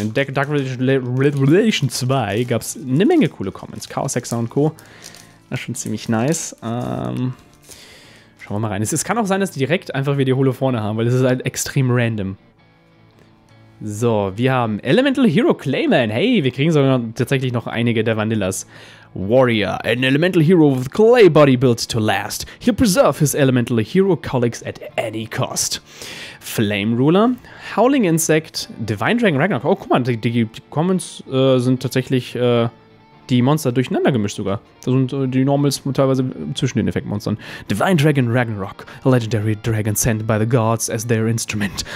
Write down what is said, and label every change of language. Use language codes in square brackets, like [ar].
[de] In Dark Revelation 2 gab es eine Menge coole Commons. Chaos Hexer und Co. Das ist schon ziemlich nice. Schauen wir mal rein. Es kann auch sein, dass die direkt einfach wieder die Holo vorne haben, weil es ist halt extrem random. So, wir haben Elemental Hero Clayman. Hey, wir kriegen sogar tatsächlich noch einige der Vanillas. [en] Warrior, an Elemental Hero with Clay Body built to last. He'll preserve his Elemental Hero colleagues at any cost. Flame Ruler, Howling Insect, Divine Dragon Ragnarok. [de] Oh, guck mal, die Commons sind tatsächlich die Monster durcheinander gemischt sogar. Da sind die Normals teilweise zwischen den Effektmonstern. [en] Divine Dragon Ragnarok, a legendary dragon sent by the gods as their instrument.